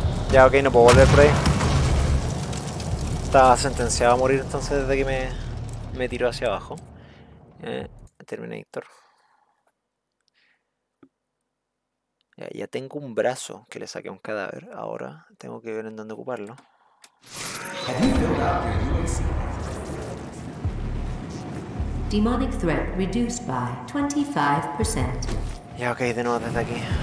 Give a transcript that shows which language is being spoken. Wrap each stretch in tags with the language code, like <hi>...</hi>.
<es>Ya, ok, no puedo volver por ahí. Estaba sentenciado a morir entonces desde que me tiró hacia abajo. Terminator. Ya tengo un brazo que le saqué a un cadáver. Ahora tengo que ver en dónde ocuparlo.</es> <en>Demonic threat reduced by 25%.</en> <es>Ya, ok, de nuevo desde aquí.</es>